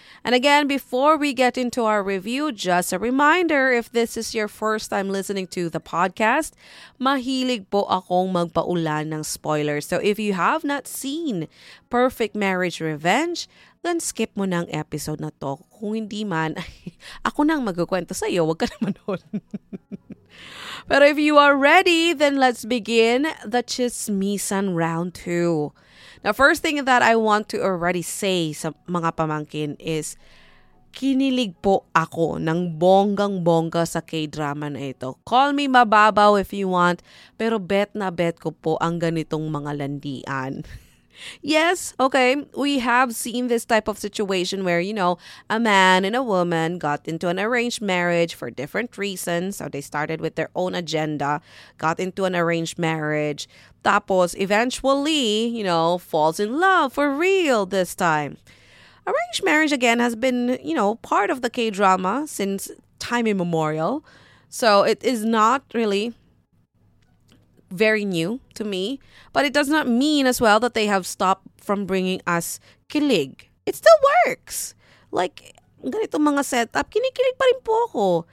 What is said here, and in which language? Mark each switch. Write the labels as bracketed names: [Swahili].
[English] And again, before we get into our review, just a reminder, if this is your first time listening to the podcast, [Filipino] mahilig po akong magpaulan ng spoilers. [English] So if you have not seen Perfect Marriage Revenge, then skip [Filipino] mo ng episode na to. Kung hindi man, ako nang magkukwento sa iyo, wag ka naman manood. [English] But if you are ready, then let's begin the Chismisan Round 2. Now, first thing that I want to already say [Filipino] sa mga pamangkin is kinilig po ako ng bonggang-bongga sa K-drama na ito. Call me mababaw [English] if you want, [Filipino] pero bet na bet ko po ang ganitong mga landian. [English] Yes, okay, we have seen this type of situation where, you know, a man and a woman got into an arranged marriage for different reasons. So they started with their own agenda, got into an arranged marriage, [Filipino] tapos [English] eventually, you know, falls in love for real this time. Arranged marriage, again, has been, you know, part of the K-drama since time immemorial. So it is not really very new to me, but it does not mean as well that they have stopped from bringing us kilig. It still works. [Filipino] Like, ganito mga setup, kinikilig pa rin po ako.